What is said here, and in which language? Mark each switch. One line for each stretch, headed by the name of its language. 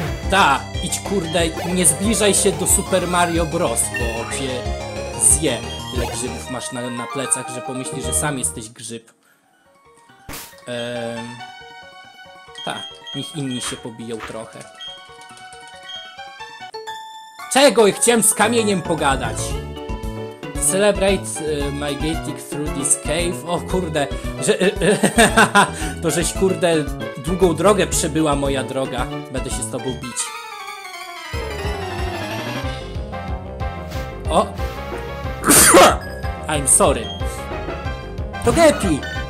Polish: Ta, idź kurde, nie zbliżaj się do Super Mario Bros, bo cię zje. Tyle grzybów masz na plecach, że pomyśli, że sam jesteś grzyb. Niech inni się pobiją trochę. Czego? I chciałem z kamieniem pogadać.
English: Celebrate my getting through this cave.
Polish: O kurde, że... to żeś kurde długą drogę przebyła, moja droga. Będę się z tobą bić. O!
English: I'm sorry. To Gepi!